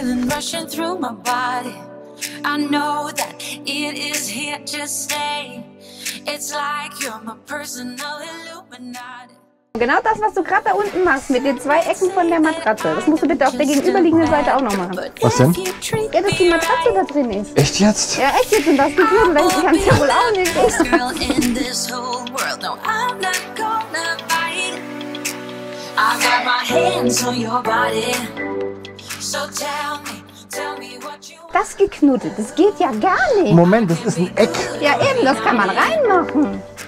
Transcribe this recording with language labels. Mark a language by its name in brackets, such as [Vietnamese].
[English] Rushing through my body, I know that it is here to stay. It's like you're my personal Illuminati. [German] Genau das, was du gerade da unten machst, mit den 2 Ecken von der Matratze. Das musst du bitte auf der gegenüberliegenden Seite auch noch machen. Was denn? Ja, dass die Matratze da drin ist. Echt jetzt? Ja, echt jetzt. Und das Gefühl, weil ich kann es ja wohl auch nicht. [English] Girl in this whole world. No, I'm not gonna fight. I got my hands on your body. So tell me. [German] Das geknuddelt, das geht ja gar nicht. Moment, das ist ein Eck. Ja eben, das kann man reinmachen.